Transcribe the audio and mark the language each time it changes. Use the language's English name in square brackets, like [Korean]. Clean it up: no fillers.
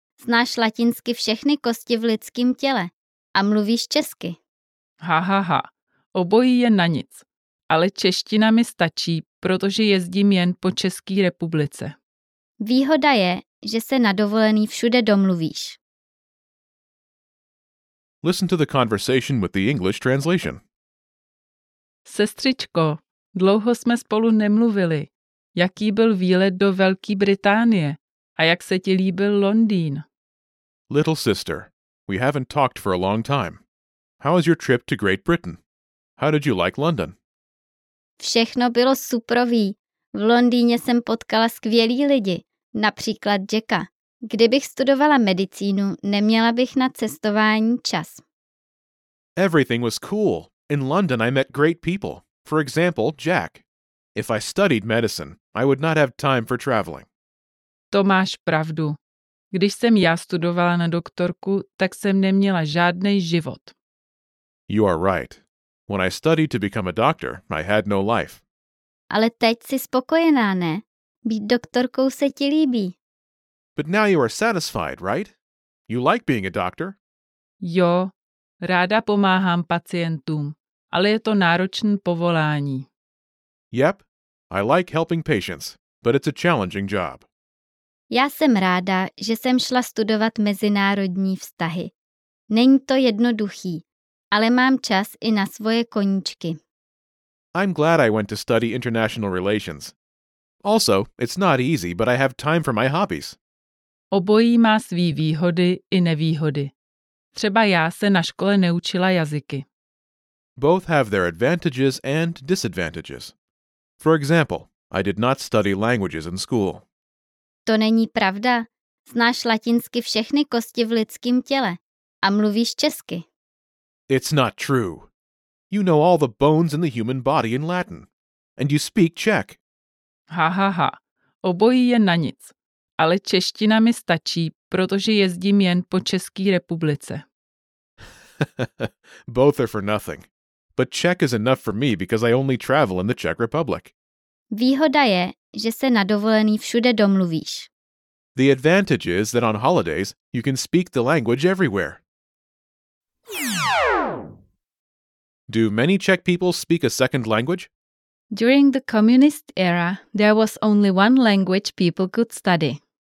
[Czech] Znáš latinsky všechny kosti v lidském těle a mluvíš česky. Ha, ha, ha. Obojí je na nic. Ale čeština mi stačí, protože jezdím jen po České republice. Výhoda je, že se na dovolený všude domluvíš. [English] Listen to the conversation with the English translation. [Czech] Sestřičko, dlouho jsme spolu nemluvili. Jaký byl výlet do Velké Británie? A jak se ti líbil Londýn? [English] Little sister, we haven't talked for a long time. How was your trip to Great Britain? How did you like London? [Czech] Všechno bylo suprový. V Londýně jsem potkala skvělý lidi, například Jacka. Kdybych studovala medicínu, neměla bych na cestování čas. [English] Everything was cool. In London I met great people. For example, Jack. If I studied medicine, I would not have time for traveling. [Czech] To máš pravdu. Když jsem já studovala na doktorku, tak jsem neměla žádný život. [English] You are right. When I studied to become a doctor, I had no life. [Czech] Ale teď jsi spokojená, ne? Být doktorkou se ti líbí. [English] But now you are satisfied, right? You like being a doctor? [Czech] Jo, ráda pomáhám pacientům, ale je to náročné povolání. [English] Yep, I like helping patients, but it's a challenging job. [Czech] Já jsem ráda, že jsem šla studovat mezinárodní vztahy. Není to jednoduchý, ale mám čas i na svoje koníčky. [English] I'm glad I went to study international relations. Also, it's not easy, but I have time for my hobbies. [Czech] Obojí má svý výhody i nevýhody. Třeba já se na škole neučila jazyky. [English] Both have their advantages and disadvantages. For example, I did not study languages in school. [Czech] To není pravda. Znáš latinsky všechny kosti v lidském těle a mluvíš česky. [English] It's not true. You know all the bones in the human body in Latin. And you speak Czech. [Czech] Ha, ha, ha. Obojí je na nic. Ale čeština mi stačí, protože jezdím jen po České republice. [English] Both are for nothing. But Czech is enough for me because I only travel in the Czech Republic. [Czech] Výhoda je, že se na dovolený všude domluvíš. [English] The advantage is that on holidays you can speak the language everywhere. Do many Czech people speak a second language? During the communist era, there was only one language people could study.